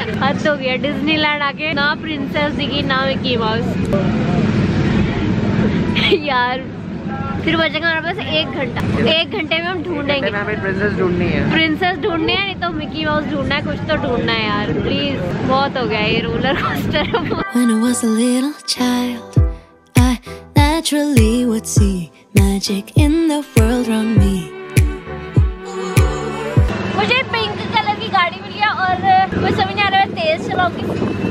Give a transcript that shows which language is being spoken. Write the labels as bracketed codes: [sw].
[hi] हद हो गया डिज्नीलैंड आके, ना प्रिंसेस दिखी ना मिक्की माउस. यार फिर बचेगा हमारे पास एक घंटा. एक घंटे में हम ढूंढेंगे, प्रिंसेस ढूंढनी है, प्रिंसेस ढूंढनी है, नहीं तो मिकी माउस ढूंढना है. कुछ तो ढूंढना है यार, प्लीज. बहुत हो गया ये roller coaster. [en] When I was a little child, I naturally would see magic in the world around me. [hi] मुझे पिंक कलर की गाड़ी मिल गया और मैं समझ नहीं आ रहा मैं तेज चलाऊंगी.